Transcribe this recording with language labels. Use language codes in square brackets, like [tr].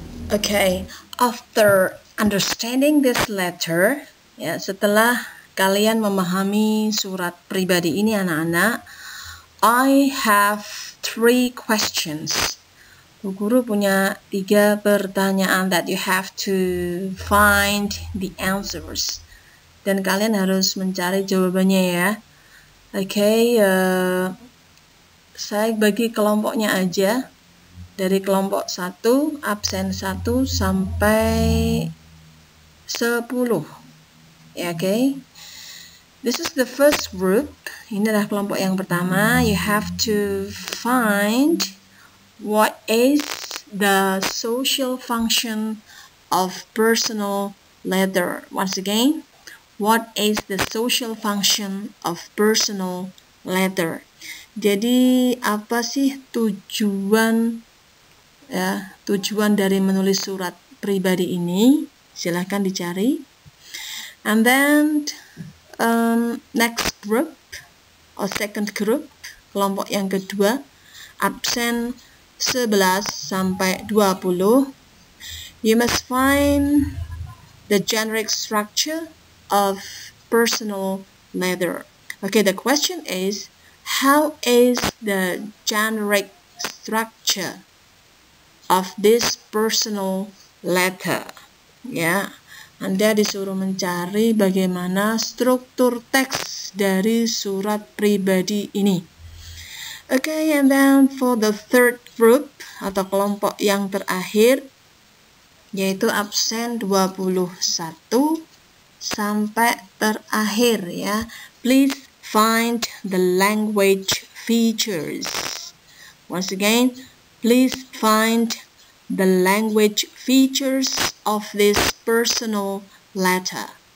[en] Okay, after understanding this letter, ya, [id] setelah kalian memahami surat pribadi ini, anak-anak, [en] I have 3 questions. [id] Bu guru punya 3 pertanyaan [en] that you have to find the answers. [id] Dan kalian harus mencari jawabannya ya. Okay, saya bagi kelompoknya aja. Dari kelompok 1, absen 1 sampai 10. Okay. [en] This is the first group. [id] Ini adalah kelompok yang pertama. [en] You have to find what is the social function of personal letter. Once again, what is the social function of personal letter? [id] Jadi, apa sih tujuan tujuan dari menulis surat pribadi ini? Silakan dicari. [en] And then next group or second group, [id] kelompok yang kedua, absen 11 sampai 20, [en] you must find the generic structure of personal letter. Okay, the question is, how is the generic structure of this personal letter? Yeah. [id] Anda disuruh mencari bagaimana struktur teks dari surat pribadi ini. [en] Okay, and then for the third group [id] atau kelompok yang terakhir, yaitu absen 21 sampai terakhir ya. [en] Please find the language features. Once again, please find the language features of this personal letter.